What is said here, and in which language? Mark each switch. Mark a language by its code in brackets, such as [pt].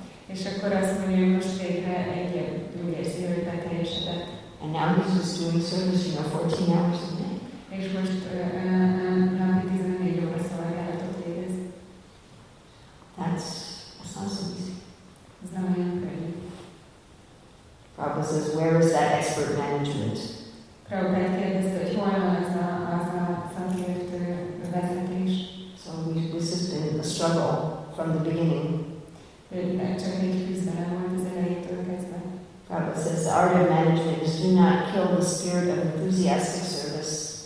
[hu] És akkor azt mondja, hogy most végre egy érzi, hogy beteljesedett. [en] And now he's just doing service, you know, 14 hours a day. [hu] És most napi 14 óra szolgálatot végez. [en] That's not so easy. [hu] Ez nem olyan könnyű. [en] Prabhupada says, where is that expert management? [hu] Prabhupada kérdezte, hogy hol van az a szakértő vezetés. [en] So this has been a struggle from the beginning. Prabhupada says the art of management is do not kill the spirit of enthusiastic service.